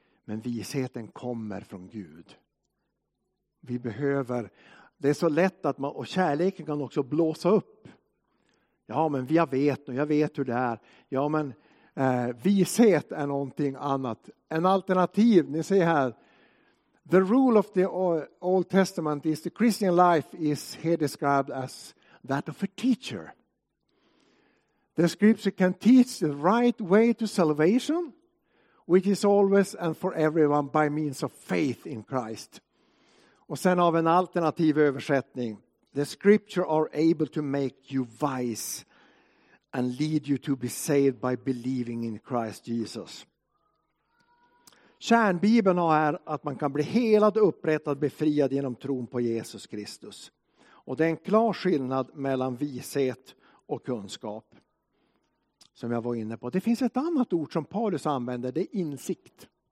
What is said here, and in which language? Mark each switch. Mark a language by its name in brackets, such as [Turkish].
[Swedish] Men visheten kommer från Gud. Vi behöver, det är så lätt att man, och kärleken kan också blåsa upp. Ja, men jag vet nu, jag vet hur det är. Ja, men vishet är någonting annat. En alternativ, ni ser här. [English] The rule of the Old Testament is the Christian life is here described as that of a teacher. The scripture can teach the right way to salvation, which is always and for everyone by means of faith in Christ. [Swedish] Och sen av en alternativ översättning. [English] The scripture are able to make you wise and lead you to be saved by believing in Christ Jesus. [Swedish] Kärnbibeln är att man kan bli helad, upprättad, befriad genom tron på Jesus Kristus. Och det är en klar skillnad mellan vishet och kunskap. Som jag var inne på. Det finns ett annat ord som Paulus använder. Det är insikt.